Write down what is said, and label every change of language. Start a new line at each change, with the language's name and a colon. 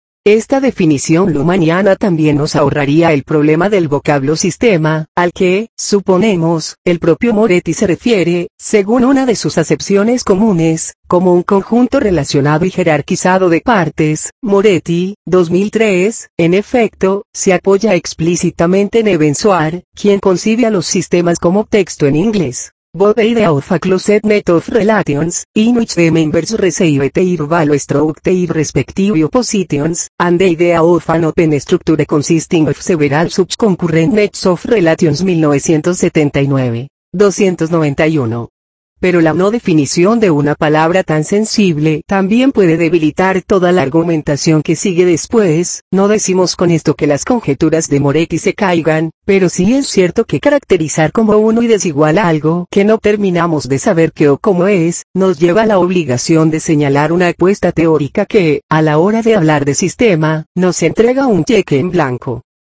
Spanish: Esta definición luhmanniana también nos ahorraría el problema del vocablo sistema, al que, suponemos, el propio Moretti se refiere, según una de sus acepciones comunes, como un conjunto relacionado y jerarquizado de partes. Moretti, 2003, en efecto, se apoya explícitamente en Evensoir, quien concibe a los sistemas como texto en inglés.
English: Both idea of a closed net of relations, in which the members receive their value through their respective oppositions, and the idea of an open structure consisting of several such concurrent nets of relations, 1979.
Spanish: 291. Pero la no definición de una palabra tan sensible también puede debilitar toda la argumentación que sigue después. No decimos con esto que las conjeturas de Moretti se caigan, pero sí es cierto que caracterizar como uno y desigual algo que no terminamos de saber qué o cómo es, nos lleva a la obligación de señalar una apuesta teórica que, a la hora de hablar de sistema, nos entrega un cheque en blanco.